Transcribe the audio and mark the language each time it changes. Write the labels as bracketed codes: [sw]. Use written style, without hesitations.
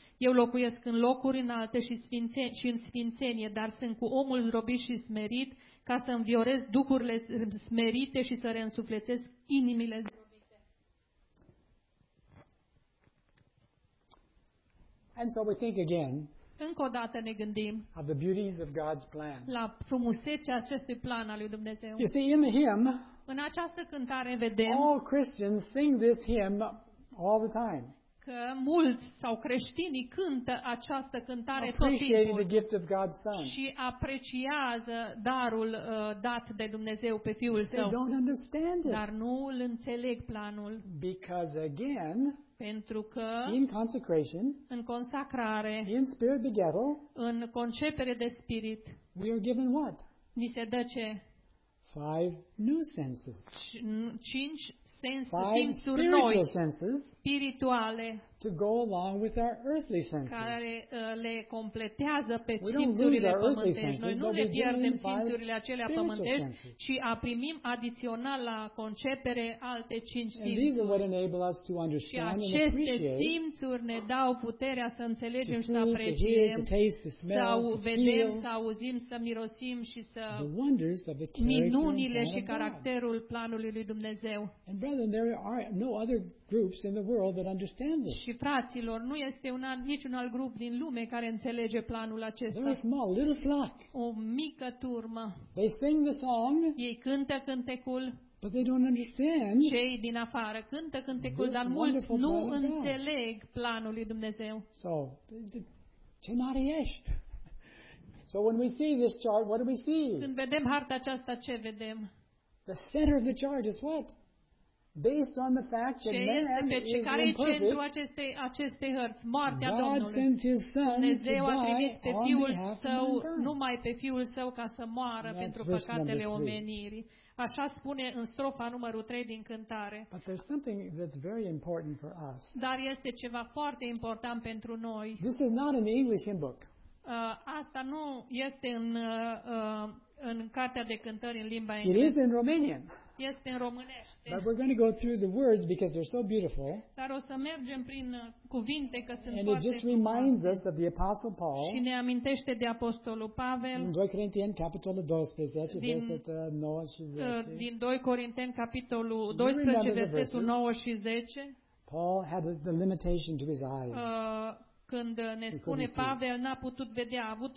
[ro] Eu locuiesc în locuri înalte și în sfințenie, dar sunt cu omul zdrobit și smerit, ca să învioresc duhurile smerite și să reînsuflețesc inimile zdrobite. [en] And so we think again. [ro] Încă o dată ne gândim [en] of the beauties of God's plan. [ro] La frumusețea acestui plan al lui Dumnezeu. [en] You see, in the hymn, [ro] în această cântare vedem [en] all Christians sing this hymn all the time. [ro] Că mulți sau creștinii cântă această cântare [en] appreciating [ro] tot timpul [en] the gift [ro] și apreciază darul dat de Dumnezeu pe Fiul Său. [en] They don't understand it. [ro] Dar nu îl înțeleg planul. [en] Because again, [ro] pentru că [en] in consecration, [ro] în consacrare, [en] in spirit begettal, [ro] în concepere de spirit, [en] we are given what? [ro] Ni se dă ce? [en] 5 new senses. [ro] 5 [en] 5 spiritual senses [ro] spirituale [en] to go along with our earthly senses. [ro] Care le completează pe simțurile pământești. Noi nu le pierdem simțurile acelea pământești, ci a primim adițional la concepere alte cinci simțuri. [en] These are what enable us to understand and appreciate. [ro] Și aceste simțuri ne dau puterea să înțelegem și să apreciem, să vedem, să auzim, să mirosim și să minunile și caracterul planului lui Dumnezeu. [en] And brethren, there are no other groups in the world that understand this. [ro] Și fraților, nu este niciun alt grup din lume care înțelege planul acesta. [en] They're a small, little flock. [ro] O mică turmă. [en] They sing the song. [ro] Ei cântă cântecul. [en] But they don't understand. [ro] Cei din afară cântă cântecul, dar mulți nu înțeleg planul lui Dumnezeu. So, ce mare ești? [en] So when we see this chart, what do we see? [ro] Când vedem harta aceasta, ce vedem? [en] The center of the chart is what? Based on the fact that man is imperfect, [ro] care este centrul acestei hărți? Moartea Domnului. Dumnezeu a trimis pe Fiul Său, numai pe Fiul Său, ca să moară pentru păcatele omenirii. Așa spune în strofa numărul 3 din cântare. [en] But there's something that's very important for us. [ro] Dar este ceva foarte important pentru noi. [en] This is not in the English hymn book. [ro] Asta nu este în în cartea de cântări în limba engleză. [en] It is in Romanian. [ro] Este în românește. [en] But we're going to go through the words because they're so beautiful. [ro] Dar o să mergem prin cuvinte că sunt [en] and it just reminds us of the Apostle Paul. [ro] Și ne amintește de Apostolul Pavel. În 2 Corinteni capitolul 12, versetul 9 și 10. Din 2 Corinteni capitolul 12, versetul 9 și 10. [en] Paul had the limitation to his eyes. [ro] Când ne spune Pavel, n-a putut vedea, a avut